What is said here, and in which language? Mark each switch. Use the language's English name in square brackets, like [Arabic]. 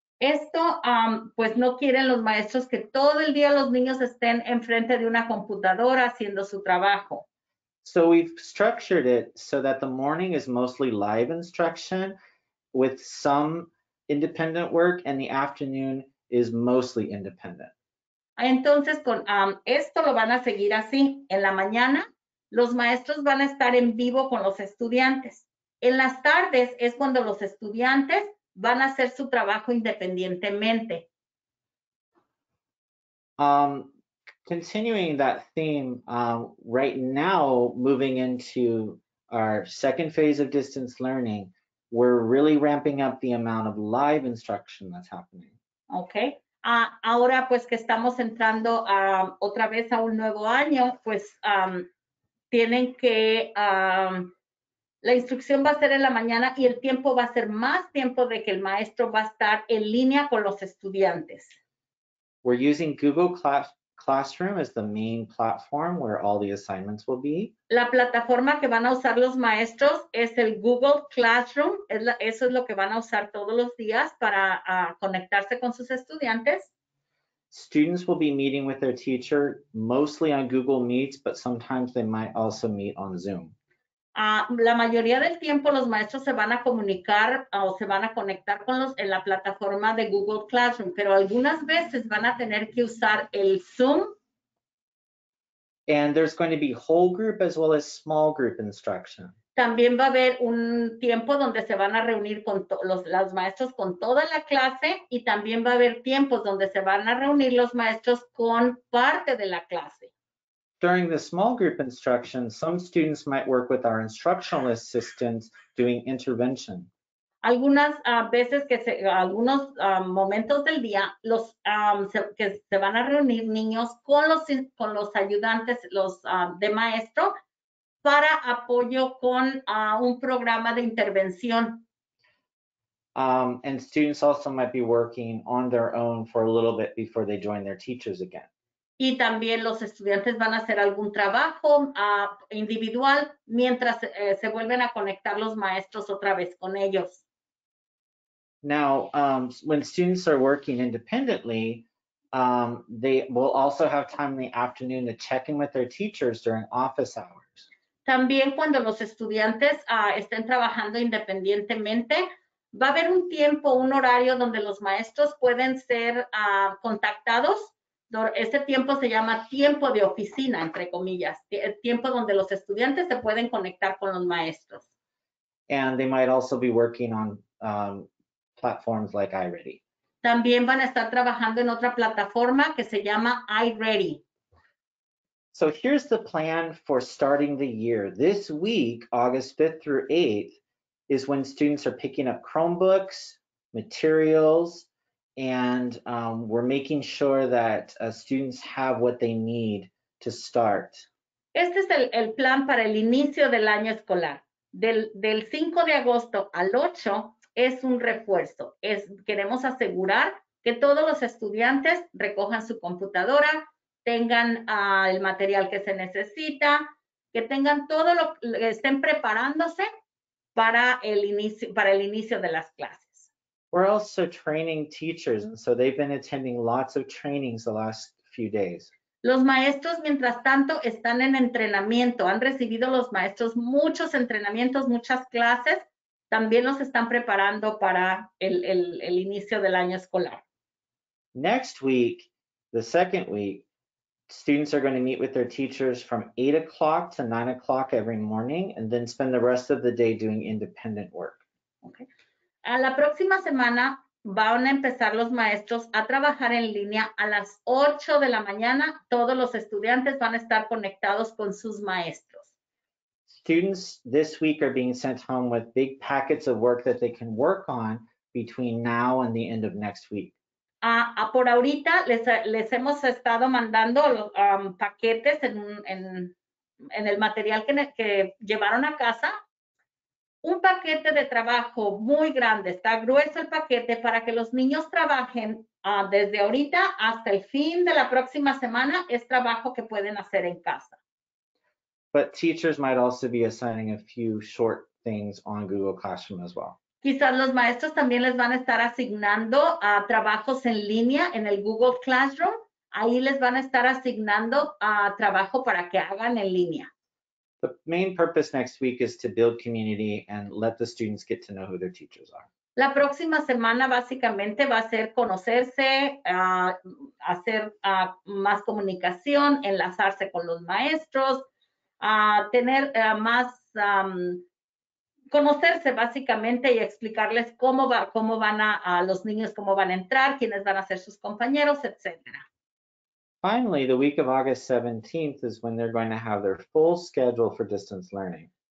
[Spanish] Esto, pues no quieren los maestros que todo el día los niños estén enfrente de una computadora haciendo su trabajo. [English] So we've structured it so that the morning is mostly live instruction with some independent work and the afternoon is mostly independent. [Spanish] Entonces, con esto lo van a seguir así. En la mañana, los maestros van a estar en vivo con los estudiantes. En las tardes es cuando los estudiantes van a hacer su trabajo independientemente. [English] Continuing that theme, right now, moving into our second phase of distance learning, we're really ramping up the amount of live instruction that's happening. Okay. [Spanish] Ahora, pues, que estamos entrando otra vez a un nuevo año, pues, tienen que, la instrucción va a ser en la mañana y el tiempo va a ser más tiempo de que el maestro va a estar en línea con los estudiantes. [English] We're using Google Classroom as the main platform where all the assignments will be. [Spanish] La plataforma que van a usar los maestros es el Google Classroom. Eso es lo que van a usar todos los días para conectarse con sus estudiantes. [English] Students will be meeting with their teacher mostly on Google Meets, but sometimes they might also meet on Zoom. [Spanish] La mayoría del tiempo los maestros se van a comunicar o se van a conectar con los en la plataforma de Google Classroom, pero algunas veces van a tener que usar el Zoom. [English] And there's going to be whole group as well as small group instruction. [Spanish] También va a haber un tiempo donde se van a reunir con los maestros con toda la clase y también va a haber tiempos donde se van a reunir los maestros con parte de la clase. [English] During the small group instruction, some students might work with our instructional assistants doing intervention. [Spanish] Algunas veces que se, algunos momentos del día, los que se van a reunir niños con los ayudantes, los de maestro, para apoyo con un programa de intervención. [English] And students also might be working on their own for a little bit before they join their teachers again. [Spanish] Y también los estudiantes van a hacer algún trabajo individual mientras se vuelven a conectar los maestros otra vez con ellos. [English] Now, when students are working independently, they will also have time in the afternoon to check in with their teachers during office hours. [Spanish] También cuando los estudiantes estén trabajando independientemente, va a haber un tiempo, un horario donde los maestros pueden ser contactados. Este tiempo se llama tiempo de oficina, entre comillas, el tiempo donde los estudiantes se pueden conectar con los maestros. [English] And they might also be working on platforms like iReady. [Spanish] También van a estar trabajando en otra plataforma que se llama iReady. [English] So here's the plan for starting the year. This week, August 5th through 8th, is when students are picking up Chromebooks, materials, and we're making sure that students have what they need to start. [Spanish] Este es el plan para el inicio del año escolar. Del 5 de agosto al 8 es un refuerzo. Queremos asegurar que todos los estudiantes recojan su computadora, tengan el material que se necesita, que tengan todo lo que estén preparándose para el inicio de las clases. [English] We're also training teachers, and so they've been attending lots of trainings the last few days. [Spanish] Los maestros, mientras tanto, están en entrenamiento. Han recibido los maestros muchos entrenamientos, muchas clases. También los están preparando para el inicio del año escolar. [English] Next week, the second week, students are going to meet with their teachers from 8 o'clock to 9 o'clock every morning, and then spend the rest of the day doing independent work. Okay. [Spanish] A la próxima semana van a empezar los maestros a trabajar en línea a las 8 de la mañana. Todos los estudiantes van a estar conectados con sus maestros. [English] Students this week are being sent home with big packets of work that they can work on between now and the end of next week. [Spanish] Por ahorita les hemos estado mandando paquetes en el material que llevaron a casa. Un paquete de trabajo muy grande, está grueso el paquete para que los niños trabajen desde ahorita hasta el fin de la próxima semana, es trabajo que pueden hacer en casa. [English] But teachers might also be assigning a few short things on Google Classroom as well. [Spanish] Quizás los maestros también les van a estar asignando trabajos en línea en el Google Classroom, ahí les van a estar asignando trabajo para que hagan en línea. [English] The main purpose next week is to build community and let the students get to know who their teachers are. [Spanish] La próxima semana básicamente va a ser conocerse, hacer más comunicación, enlazarse con los maestros, tener más, conocerse básicamente y explicarles cómo van a los niños, cómo van a entrar, quiénes van a ser sus compañeros, etc. [English] Finally, the week of August 17th is when they're going to have their full schedule for distance learning.